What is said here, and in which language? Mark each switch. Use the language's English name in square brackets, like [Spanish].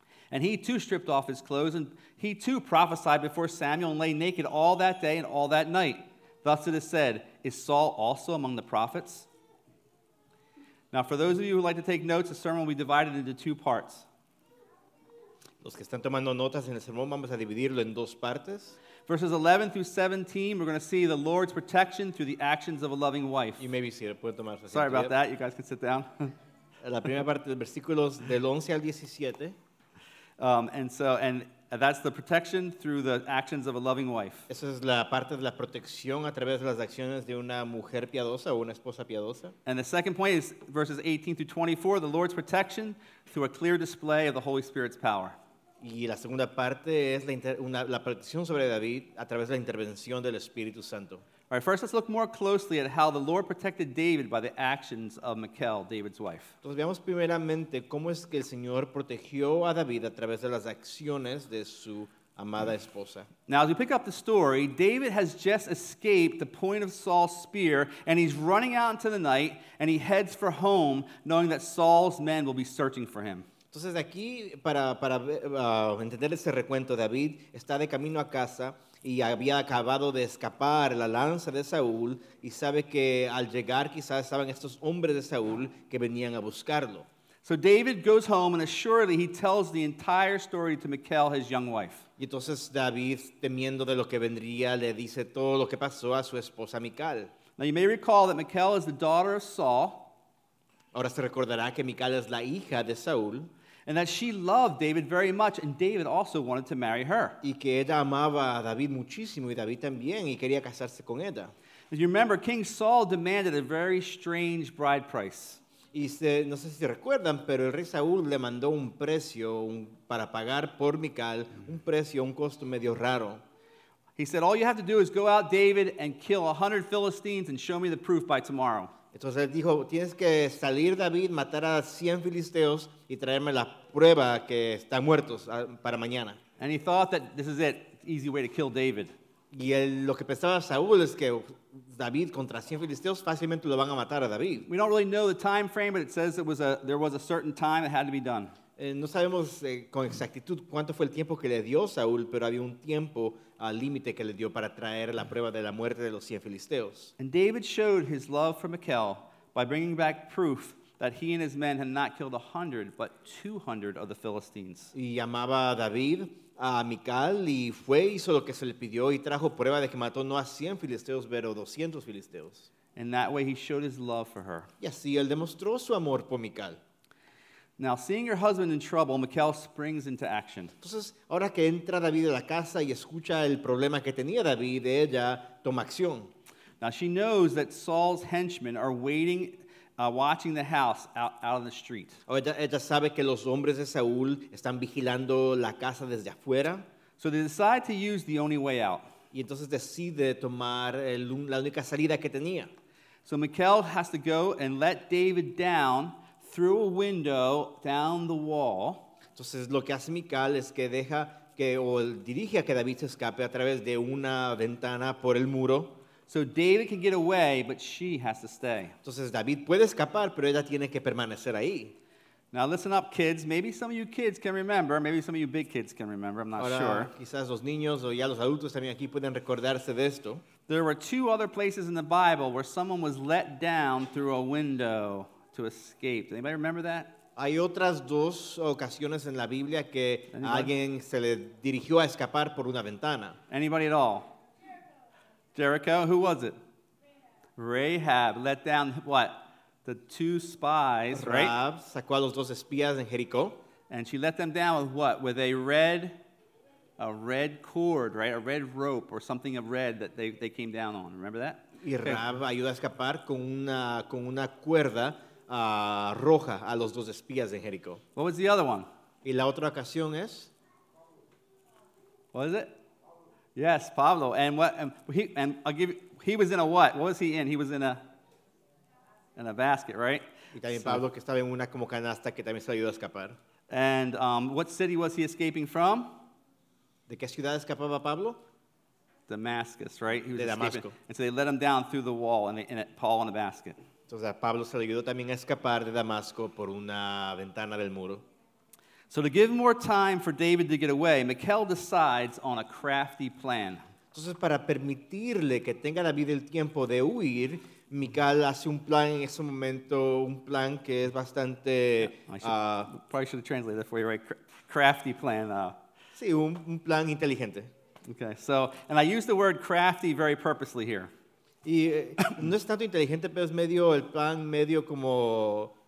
[English] And he too stripped off his clothes, and he too prophesied before Samuel and lay naked all that day and all that night. Thus it is said, "Is Saul also among the prophets?" Now, for those of you who like to take notes, the sermon will be divided into two parts. [Spanish] Los que están tomando notas en el sermón, vamos a dividirlo en dos partes. [English] Verses 11 through 17, we're going to see the Lord's protection through the actions of a loving wife. You may be seated. [Spanish] Puede tomar su asiento. [English] Sorry about that. You guys can sit down. [Spanish] La primera parte, versículos del 11 al 17. [English] And that's the protection through the actions of a loving wife. [Spanish] Esa es la parte de la protección a través de las acciones de una mujer piadosa o una esposa piadosa. [English] And the second point is verses 18 through 24, the Lord's protection through a clear display of the Holy Spirit's power. [Spanish] Y la segunda parte es la protección sobre David a través de la intervención del Espíritu Santo. [English] All right, first let's look more closely at how the Lord protected David by the actions of Michal, David's wife. [Spanish] Entonces veamos primeramente cómo es que el Señor protegió a David a través de las acciones de su amada esposa. [English] Now as we pick up the story, David has just escaped the point of Saul's spear and he's running out into the night and he heads for home knowing that Saul's men will be searching for him. [Spanish] Entonces aquí, para entender ese recuento, David está de camino a casa y había acabado de escapar la lanza de Saúl y sabe que al llegar quizás estaban estos hombres de Saúl que venían a buscarlo. [English] So David goes home and assuredly he tells the entire story to Michal, his young wife. [Spanish] Y entonces David, temiendo de lo que vendría, le dice todo lo que pasó a su esposa Michal. [English] Now you may recall that Michal is the daughter of Saul. [Spanish] Ahora se recordará que Michal es la hija de Saúl. [English] And that she loved David very much, and David also wanted to marry her. [Spanish] Y que ella amaba a David muchísimo, y David también, y quería casarse con ella. [English] As you remember, King Saul demanded a very strange bride price. [Spanish] Y se, no sé si recuerdan, pero el rey Saúl le mandó un precio para pagar por Michal, un precio, un costo medio raro. [English] He said, "All you have to do is go out, David, and kill 100 Philistines and show me the proof by tomorrow." [Spanish] Entonces él dijo, "Tienes que salir, David, matar a 100 filisteos y traerme la prueba que están muertos para mañana." [English] And he thought that this is it. easy way to kill David. [Spanish] Y lo que pensaba Saúl es que David contra 100 filisteos fácilmente lo van a matar a David. [English] We don't really know the time frame, but it says it was there was a certain time it had to be done. [Spanish] No sabemos con exactitud cuánto fue el tiempo que le dio Saúl, pero había un tiempo al límite que le dio para traer la prueba de la muerte de los 100 filisteos. [English] And David showed his love for Michal by bringing back proof that he and his men had not killed 100, but 200 of the Philistines. [Spanish] Y llamaba David a Michal y fue, hizo lo que se le pidió y trajo prueba de que mató no a 100 filisteos, pero 200 filisteos. [English] And that way he showed his love for her. [Spanish] Y así él demostró su amor por Michal. [English] Now, seeing her husband in trouble, Michal springs into action. [Spanish] Entonces, ahora que entra David a la casa y escucha el problema que tenía David, ella toma acción. [English] Now, she knows that Saul's henchmen are waiting, watching the house out on the street. [Spanish] Ella sabe que los hombres de Saúl están vigilando la casa desde afuera. [English] So they decide to use the only way out. [Spanish] Y entonces decide tomar la única salida que tenía. [English] So Michal has to go and let David down through a window down the wall. [Spanish] Entonces lo que hace Michal es que deja que o dirige a que David se escape a través de una ventana por el muro. [English] So David can get away, but she has to stay. [Spanish] Entonces David puede escapar, pero ella tiene que permanecer ahí. [English] Now listen up, kids. Maybe some of you kids can remember. Maybe some of you big kids can remember. I'm not [Spanish] Ahora, [English] sure. [Spanish] Quizás los niños o ya los adultos también aquí pueden recordarse de esto. [English] There were two other places in the Bible where someone was let down through a window to escape. Anybody remember that? [Spanish] Hay otras dos ocasiones en la Biblia que [English] Anybody? [Spanish] Alguien se le dirigió a escapar por una ventana. [English] Anybody at all? Jericho, who was it? Rahab let down what? The two spies, Rahab right? [Spanish] Rahab sacó a los dos espías en Jericó. [English] And she let them down with what? With a red cord, right? A red rope or something of red that they came down on. Remember that? Y okay. [Spanish] Rahab ayuda a escapar con una cuerda roja a los dos espías en Jericó. [English] What was the other one? [Spanish] Y la otra ocasión es? [English] What is it? Yes, Pablo. And he was in a what? What was he in? He was in a basket, right? [Spanish] Y también so, Pablo que estaba en una como canasta que también se ayudó a escapar. [English] And what city was he escaping from? [Spanish] ¿De qué ciudad escapaba Pablo? [English] Damascus, right? He was [Spanish] de Damasco. [English] Escaping. And so they let him down through the wall and Paul in a basket. [Spanish] Entonces a Pablo se le ayudó también a escapar de Damasco por una ventana del muro. [English] So to give more time for David to get away, Michal decides on a crafty plan. [Spanish] Entonces para permitirle que tenga David el tiempo de huir, Michal hace un plan en ese momento, un plan que es bastante... [English] Probably should have translated that for you, right? Crafty plan. [Spanish] Sí, un plan inteligente. [English] Okay, so, and I use the word crafty very purposely here. [Spanish] Y no es tanto inteligente, pero es medio el plan, medio como...